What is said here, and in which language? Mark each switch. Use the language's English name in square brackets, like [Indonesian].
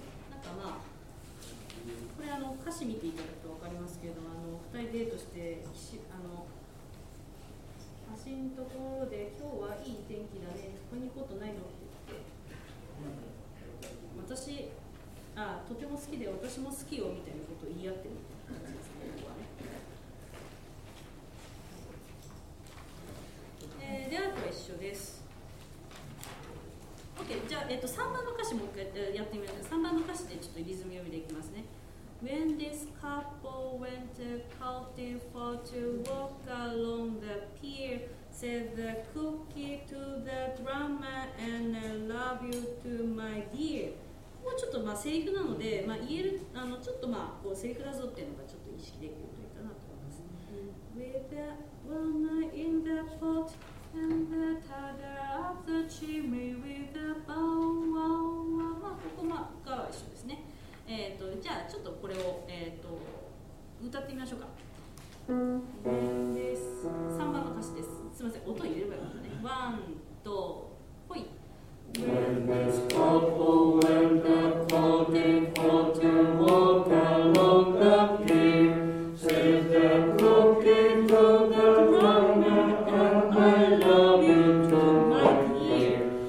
[Japanese] なんかまあこれあの歌詞見ていただくと分かりますけれども、あの2人デートして橋のところで今日はいい天気だね、ここに行こうとないのって言って、私とても好きで私も好きよみたいなことを言い合ってるみたいな感じですね、ここはね。であとは一緒です。Okay, じゃあ、3番の歌詞もう一回やってみましょう。3番の歌詞でちょっとリズム読みでいきますね。 [English] When this couple went courting for to walk along the pier, said the cookie to the drummer, and I love you to my dear. [Japanese] もうちょっとまあセリフなので、まあ、言えるあのちょっとまあこうセリフだぞっていうのがちょっと意識できるといいかなと思います。 [English] With the one in the pot and the tother of the chimney with the bow, wow, wow. [Japanese] ここまあが一緒ですね。じゃあちょっとこれを歌ってみましょうか。 3番の歌詞です。すみません、音を入れればよかったね。ワン、ドー、ホイ。 [English] When this couple went the courting for to walk along the pier, said the cookie to the drummer, and I love you to my dear.